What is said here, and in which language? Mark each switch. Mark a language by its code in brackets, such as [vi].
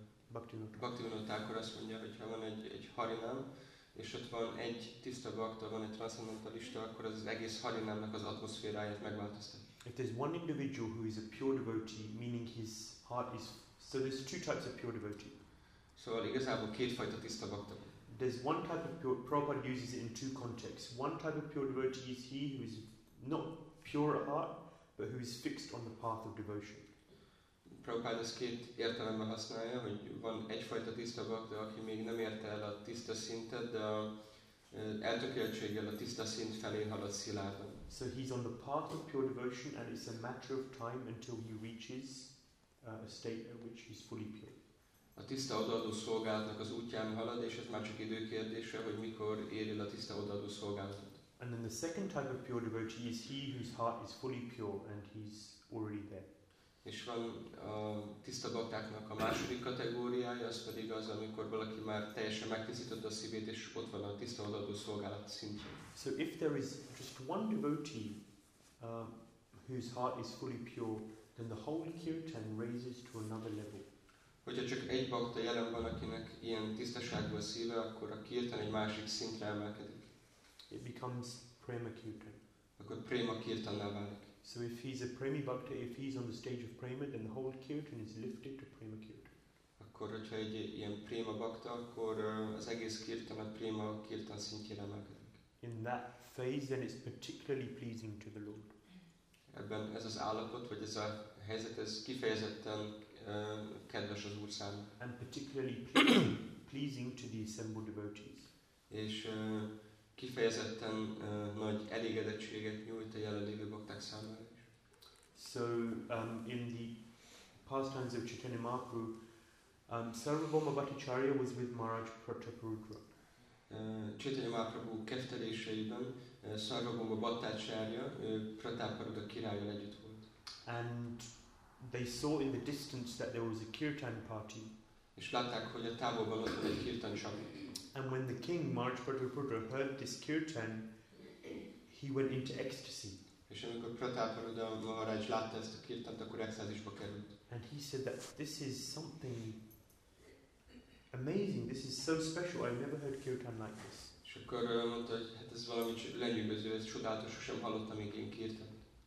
[hu] Bhaktivinoda Thakur azt mondja, hogy ha van egy harinám, és ott van egy tiszta bhakta, van egy transzendentalista, akkor az egész harinámnak az atmoszféráját megváltoztatja. [en] If there's one individual who is a pure devotee, meaning his heart is... So there's two types of pure devotee. [hu] Szóval igazából kétfajta tiszta bhakta. [en] There's one type of pure... Prabhupada uses it in two contexts. One type of pure devotee is he who is not pure at heart, but who is fixed on the path of devotion. [hu] Prabhupada ezt két értelemben használja, hogy van egyfajta tiszta bhakta, aki még nem érte el a tiszta szintet, de a eltökéltséggel a tiszta szint felé halad szilárdan. [en] So he's on the path of pure devotion and it's a matter of time until he reaches a state at which he's fully pure. [hu] A tiszta odaadó szolgálatnak az útján halad, és ez már csak időkérdése, hogy mikor éri el a tiszta odaadó szolgálatot. [en] And then the second type of pure devotee is he whose heart is fully pure and he's already there. [hu] És van a tiszta baktáknak a második kategóriája, az pedig az, amikor valaki már teljesen megtisztította a szívét, és ott van a tiszta odaadó szolgálat szintje. [en] So if there is just one devotee whose heart is fully pure, then the whole kirtan raises to another level. [hu] Hogyha csak egy bakta jelen van, akinek ilyen tisztaságú a szíve, akkor a kirtan egy másik szintre emelkedik. [en] It becomes prema kirtan. [hu] Akkor prema kirtanná válik. [en] So if he's a premi bhakta, if he's on the stage of prema, then the whole kirtan is lifted to prema kirtan. [hu] Akkor hogyha egy ilyen prema bhakta, akkor az egész kirtan a prema kirtan szintjére emelkedik. [en] In that phase, then it's particularly pleasing to the Lord. [hu] Ebben ez az állapot, vagy ez a helyzet, ez kifejezetten kedves az Úr számára. [en] And particularly pleasing to the assembled devotees. [hu] És kifejezetten nagy elégedettséget nyújt a jelenlévő bakták számára is. [en] So, in the pastimes of Chaitanya Mahaprabhu, Sarvabhauma Bhattacharya was with Maharaj Prataparudra. [hu] Chaitanya Mahaprabhu kefteléseiben Sarvabhauma Bhattacharya Prataparudra királlyal együtt volt. [en] And they saw in the distance that there was a kirtan party. [hu] És látták, hogy a távolban ott van egy kirtan csapat. [en] And when the king Maharaj Prataparudra heard this kirtan, he went into ecstasy. [hu] És amikor Prataparudra Maharaj látta ezt a kirtant, akkor extázisba került. [en] And he said that this is something amazing. This is so special. I've never heard kirtan like this. [hu] És akkor mondta, hogy hát ez valami lenyűgöző, ez csodálatos, sosem hallottam még én kirtant.